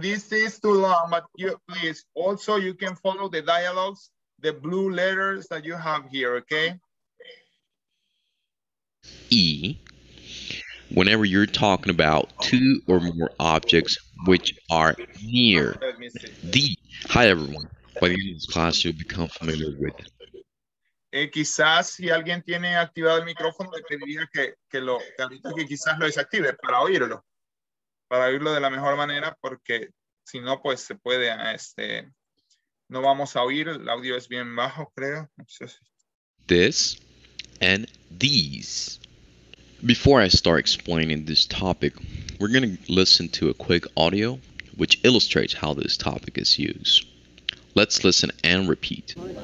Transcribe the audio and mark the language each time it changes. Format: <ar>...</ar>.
<en>This is too long, but you please also you can follow the dialogues, the blue letters that you have here, okay? E. Whenever you're talking about two or more objects which are near the. Hi everyone. By the end of this class you'll become familiar with.</en> <es>Quizás si alguien tiene activado el micrófono, le pediría que quizás lo desactive para oírlo. Para oírlo de la mejor manera, porque si no, pues se puede, no vamos a oír, el audio es bien bajo, creo.</es> <en>This and these. Before I start explaining this topic, we're going to listen to a quick audio which illustrates how this topic is used. Let's listen and repeat.</en>